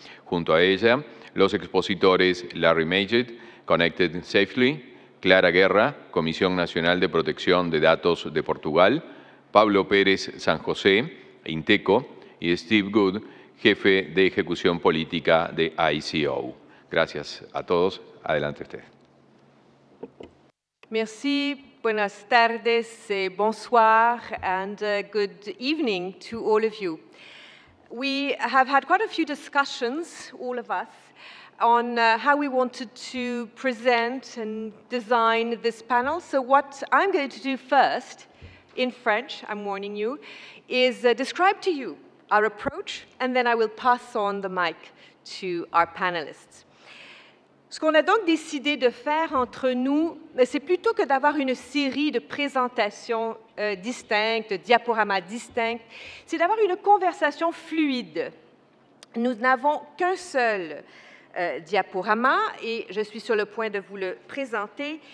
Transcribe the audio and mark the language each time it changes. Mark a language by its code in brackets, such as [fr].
[es] Junto a ella, los expositores Larry Majid, Connected Safely, Clara Guerra, Comisión Nacional de Protección de Datos de Portugal, Pablo Pérez San José, Inteco, y Steve Good, jefe de ejecución política de ICO. Gracias a todos. Adelante usted. [fr] Merci, [es] buenas tardes, [fr] bonsoir, [en] and good evening to all of you. We have had quite a few discussions, all of us, on how we wanted to present and design this panel. So what I'm going to do first, in French, I'm warning you, is describe to you our approach, and then I will pass on the mic to our panelists. [fr] Ce qu'on a donc décidé de faire entre nous, c'est plutôt que d'avoir une série de présentations distinctes, de diaporamas distincts, c'est d'avoir une conversation fluide. Nous n'avons qu'un seul diaporama, et je suis sur le point de vous le présenter.